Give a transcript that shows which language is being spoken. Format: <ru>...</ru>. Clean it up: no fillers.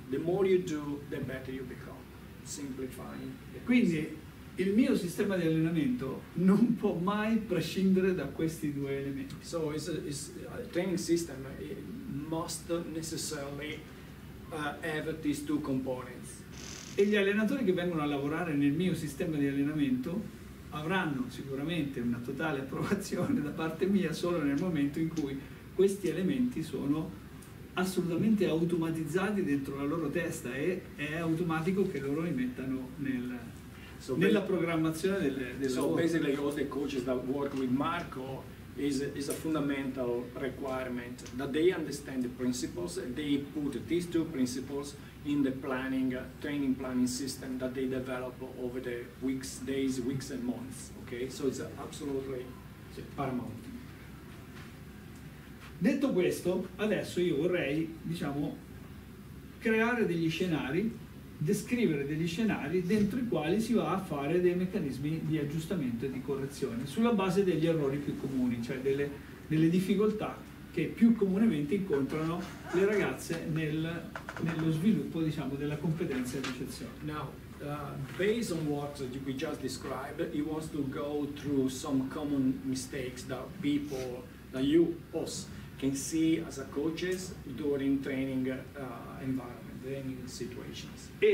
<en>The more you do, the better you become. Simplifying.</en> <it>Quindi il mio sistema di allenamento non può mai prescindere da questi due elementi.</it> <en>So it's a training system. Must necessarily have these two components.</en> <it>E gli allenatori che vengono a lavorare nel mio sistema di allenamento avranno sicuramente una totale approvazione da parte mia solo nel momento in cui questi elementi sono assolutamente automatizzati dentro la loro testa e è automatico che loro li mettano nella programmazione del lavoro.</it> <en>So basically all the coaches that work with Marco is a fundamental requirement that they understand the principles and they put these two principles in the training planning system that they develop over the weeks, days, weeks and months. Okay, so it's absolutely paramount.</en> <it>Detto questo, adesso io vorrei, diciamo, creare degli scenari, descrivere degli scenari dentro i quali si va a fare dei meccanismi di aggiustamento e di correzione sulla base degli errori più comuni, cioè delle difficoltà che più comunemente incontrano le ragazze nello sviluppo, diciamo, della competenza di ricezione.</it> <en>Now, based on what we just described, he wants to go through some common mistakes that people, that you, us, can see as a coaches during training environment, training situations.</en>